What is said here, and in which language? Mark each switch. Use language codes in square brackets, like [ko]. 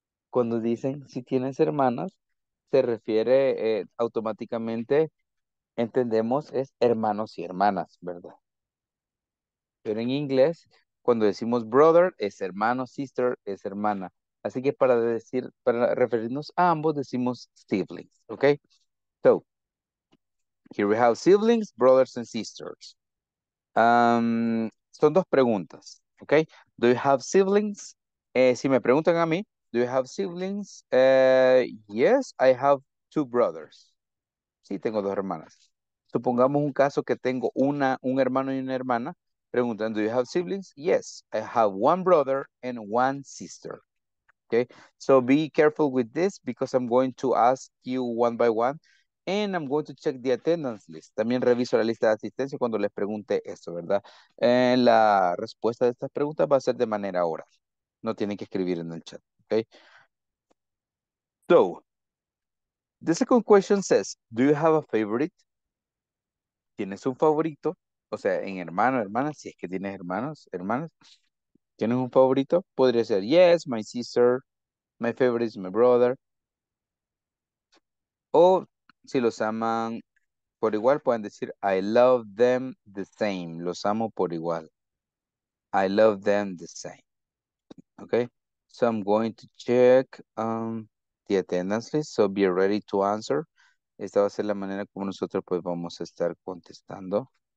[es] Cuando dicen si tienes hermanas, se refiere automáticamente, entendemos, es hermanos y hermanas, ¿verdad? Pero en inglés, cuando decimos brother, es hermano, sister, es hermana. Así que para decir, para referirnos a ambos, decimos siblings, okay? [en] So, here we have siblings, brothers and sisters. [es] Son dos preguntas, okay? [en] Do you have siblings? [es] Si me preguntan a mí, [en] do you have siblings? Yes, I have two brothers. [es] Sí, tengo dos hermanas. Supongamos un caso que tengo un hermano y una hermana. [en] Preguntan, do you have siblings? Yes, I have one brother and one sister. Okay, so be careful with this because I'm going to ask you one by one and I'm going to check the attendance list. [es] También reviso la lista de asistencia cuando les pregunte esto, ¿verdad? La respuesta de estas preguntas va a ser de manera oral. No tienen que escribir en el chat, okay? [en] So, the second question says, do you have a favorite? [es] ¿Tienes un favorito? O sea, en hermano, hermana, si es que tienes hermanos, hermanas. ¿Tienes un favorito? Podría ser, [en] yes, my sister, my favorite is my brother. [es] O si los aman por igual, pueden decir, [en] I love them the same. [es] Los amo por igual. [en] I love them the same. Okay, so I'm going to check the attendance list, so be ready to answer. [es] Esta va a ser la manera como nosotros pues vamos a estar contestando.